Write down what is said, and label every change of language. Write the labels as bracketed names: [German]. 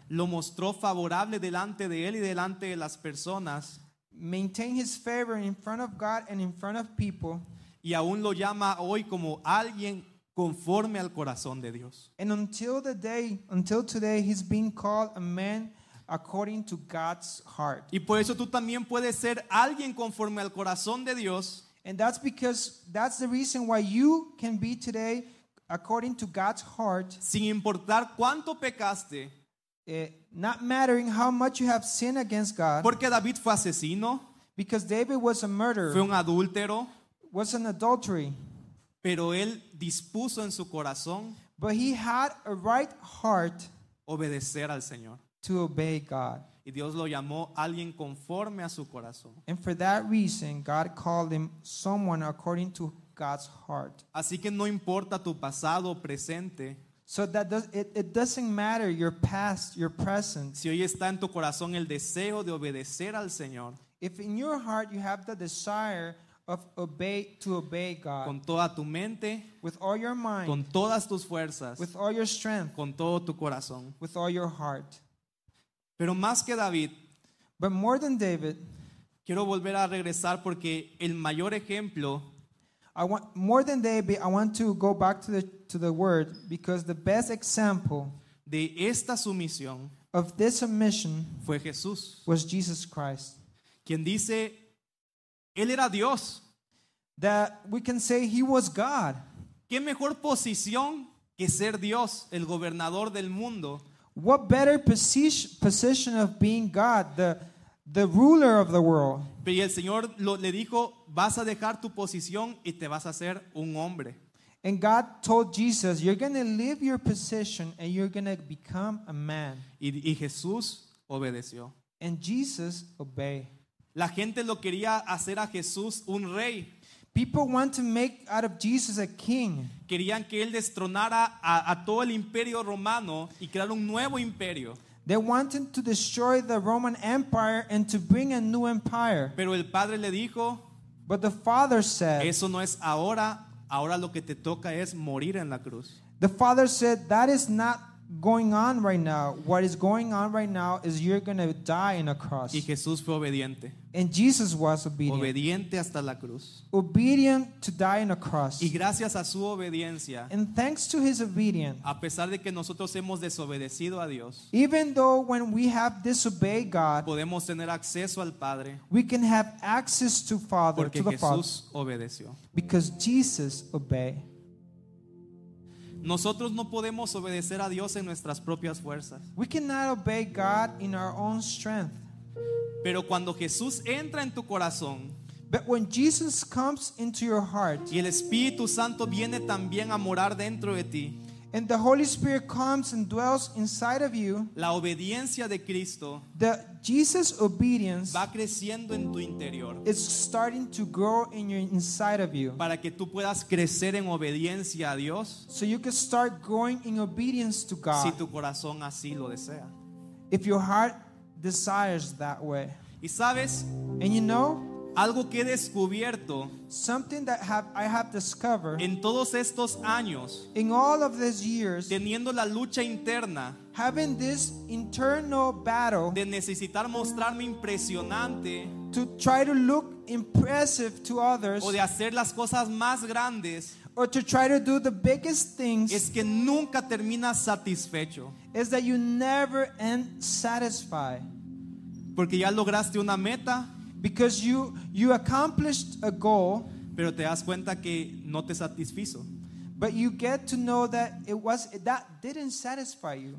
[Spanish] lo mostró favorable delante de él y delante de las personas, [English] maintained his favor in front of God and in front of people, [Spanish] y aún lo llama hoy como alguien conforme al corazón de Dios. [English] And until today, he's being called a man according to God's heart. [Spanish] Y por eso tú también puedes ser alguien conforme al corazón de Dios. [English] And that's because that's the reason why you can be today according to God's heart. [Spanish] Sin importar cuánto pecaste. [English] Not mattering how much you have sinned against God. [Spanish] Porque David fue asesino. [English] Because David was a murderer. [Spanish] Fue un adúltero. [English] Was an adultery. [Spanish] Pero él dispuso en su corazón. [English] But he had a right heart. [Spanish] Obedecer al Señor. [English] To obey God. [Spanish] Y Dios lo llamó alguien conforme a su corazón. [English] And for that reason, God called him someone according to God's heart. [Spanish] Así que no importa tu pasado o presente. [English] So that it doesn't matter your past, your present. [Spanish] Si hoy está en tu corazón el deseo de obedecer al Señor. [English] If in your heart you have the desire of to obey God. [Spanish] Con toda tu mente. [English] With all your mind. [Spanish] Con todas tus fuerzas. [English] With all your strength. [Spanish] Con todo tu corazón. [English] With all your heart. [Spanish] Pero más que David, [English] but more than David, [Spanish] Quiero volver a regresar porque el mayor ejemplo. [English] I want more than David. I want to go back to the word because the best example [Spanish] de esta sumisión [English] of this submission [Spanish] fue Jesús. [English] Was Jesus Christ. [Spanish] Quien dice, él era Dios. [English] That we can say he was God. [Spanish] ¿Qué mejor posición que ser Dios, el gobernador del mundo? [English] What better position of being God, the ruler of the world? [Spanish] Y el Señor le dijo, vas a dejar tu posición y te vas a hacer un hombre. [English] And God told Jesus, you're going to leave your position and you're going to become a man. [Spanish] Y Jesús obedeció. [English] And Jesus obeyed. [Spanish] La gente lo quería hacer a Jesús un rey. [English] People want to make out of Jesus a king. [Spanish] Querían que él destronara a todo el imperio romano y crear un nuevo imperio. [English] They wanted to destroy the Roman Empire and to bring a new empire. [Spanish] Pero el padre le dijo, [English] but the father said, [Spanish] eso no es ahora. Ahora lo que te toca es morir en la cruz. [English] The father said, that is not going on right now. What is going on right now is you're going to die in a cross. [Spanish] Y Jesús fue obediente. [English] And Jesus was obedient. [Spanish] Obediente hasta la cruz. [English] Obedient to die in a cross. [Spanish] Y gracias a su obediencia. [English] And thanks to his obedience. [Spanish] A pesar de que nosotros hemos desobedecido a Dios. [English] Even though when we have disobeyed God. [Spanish] Podemos tener acceso al Padre. [English] We can have access to Father. [Spanish] Porque [English] to the [Spanish] Jesús [English] Father, [Spanish] obedeció. [English] Because Jesus obeyed. [Spanish] Nosotros no podemos obedecer a Dios en nuestras propias fuerzas. [English] We cannot obey God in our own strength. [Spanish] Pero cuando Jesús entra en tu corazón, [English] but when Jesus comes into your heart, [Spanish] y el Espíritu Santo viene también a morar dentro de ti, [English] and the Holy Spirit comes and dwells inside of you, [Spanish] la obediencia de Cristo, [English] the Jesus obedience, [Spanish] va creciendo en tu interior. [English] It's starting to grow in your inside of you. [Spanish] Para que tú puedas crecer en obediencia a Dios, [English] so you can start growing in obedience to God. [Spanish] Si tu corazón así lo desea. [English] If your heart desires that way. [Spanish] ¿Y sabes? [English] And you know, [Spanish] algo que he descubierto, [English] something that I have discovered, [Spanish] en todos estos años, [English] in all of these years, [Spanish] teniendo la lucha interna, [English] having this internal battle, [Spanish] de necesitar mostrarme impresionante, [English] to try to look impressive to others, [Spanish] o de hacer las cosas más grandes, [English] or to try to do the biggest things, [Spanish] es que nunca terminas satisfecho, [English] is that you never end satisfied, [Spanish] porque ya lograste una meta. [English] Because you accomplished a goal, [Spanish] pero te das cuenta que no te satisfizo. [English] But you get to know that that didn't satisfy you.